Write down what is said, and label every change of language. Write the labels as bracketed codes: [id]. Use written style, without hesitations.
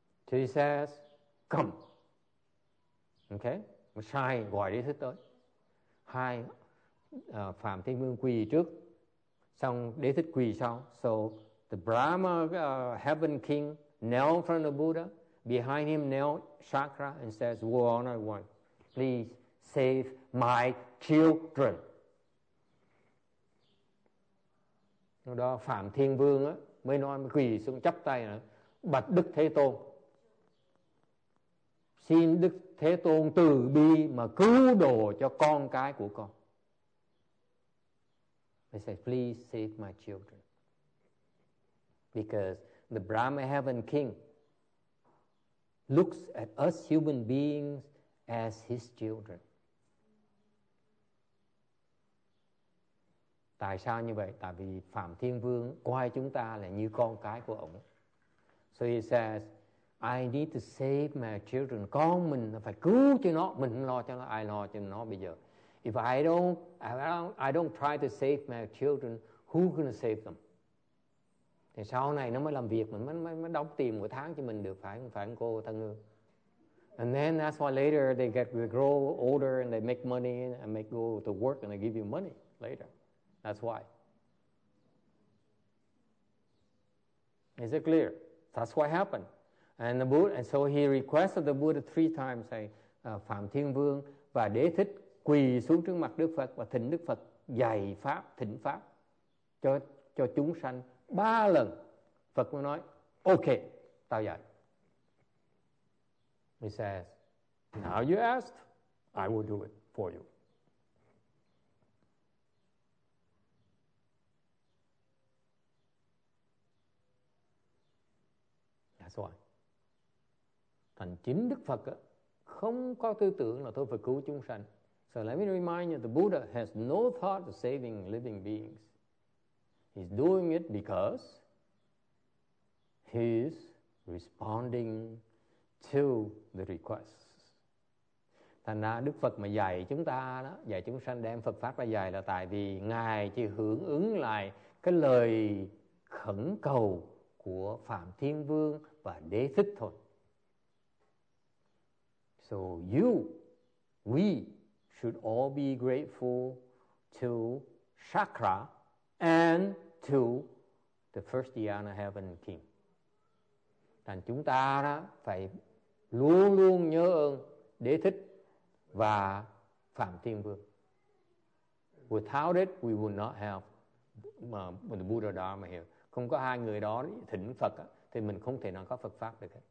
[en] So he says, come. Okay? [vi] Sai gọi Đế Thích tới. Hai, Phạm Thiên Vương quỳ trước, xong Đế Thích quỳ sau. [en] So the Brahma heaven king knelt in front of Buddha. Behind him knelt Chakra and says, "Your Honor One, please save my children." [vi] Lúc đó Phạm Thiên Vương á, mới nói, mới quỳ xuống chắp tay nữa. Bạch Đức Thế Tôn, xin Đức Thế Tôn từ bi mà cứu độ cho con cái của con. [en] They say, please save my children. Because the Brahma heaven king looks at us human beings as his children. [vi] Tại sao như vậy? Tại vì Phạm Thiên Vương coi chúng ta là như con cái của ông. [en] So he says, I need to save my children. [vi] Con mình phải cứu cho nó. Mình lo cho nó. Ai lo cho nó bây giờ? [en] If I don't try to save my children, who's gonna save them? [vi] Thì sau này nó mới làm việc, mình mới đóng tiền mỗi tháng cho mình được, phải không cô Thân Hương? [en] And then that's why later they grow older and they make money and make go to work and they give you money later. That's why. Is it clear? That's what happened. And the Buddha, and so he requested the Buddha three times, say, [vi] Phạm Thiên Vương và Đế Thích quỳ xuống trước mặt Đức Phật và thỉnh Đức Phật dạy pháp, thỉnh pháp cho chúng sanh ba lần. Phật mới nói, ok, tao dạy. [en] He says, now you asked, I will do it for you. That's why. [vi] Thành chính Đức Phật không có tư tưởng là tôi phải cứu chúng sanh. [en] So let me remind you, the Buddha has no thought of saving living beings. He's doing it because he's responding to the requests. [vi] Thành ra Đức Phật mà dạy chúng ta đó, dạy chúng sanh đem Phật Pháp ra dạy là tại vì Ngài chỉ hưởng ứng lại cái lời khẩn cầu của Phạm Thiên Vương và Đế Thích thôi. [en] So you, we, should all be grateful to Chakra and to the first Dhyana Heaven King. [vi] Thành chúng ta đó phải luôn luôn nhớ ơn Đế Thích và Phạm Thiên Vương. [en] Without it, we would not have the Buddha Dharma here. [vi] Không có hai người đó thỉnh Phật thì mình không thể nào có Phật Pháp được.